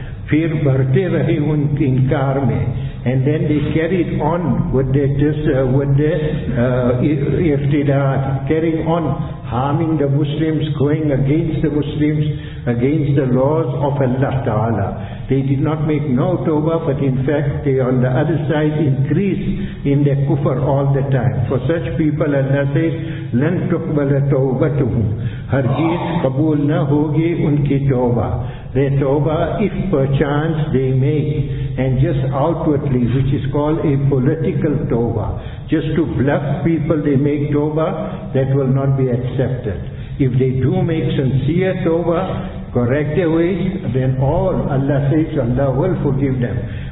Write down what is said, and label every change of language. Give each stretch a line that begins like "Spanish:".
Urdu: پھر بڑھتے رہے ان کے انکار میں.
English: And then they carried on with their iftidad, carrying on harming the Muslims, going against the Muslims, against the laws of Allah Ta'ala. They did not make no tawbah, but in fact they on the other side increased in their kufr all the time. For such people Allah says,
Arabic: لَن تُقْبَلَ تَوْبَتُهُمْ.
Urdu: ہرگز قبول نہ ہوگی ان کی توبہ.
English: Their tawbah, if perchance they make, and just outwardly, which is called a political tawbah, just to bluff people they make tawbah, that will not be accepted. If they do make sincere tawbah, correct their ways, then all Allah says, Allah will forgive them.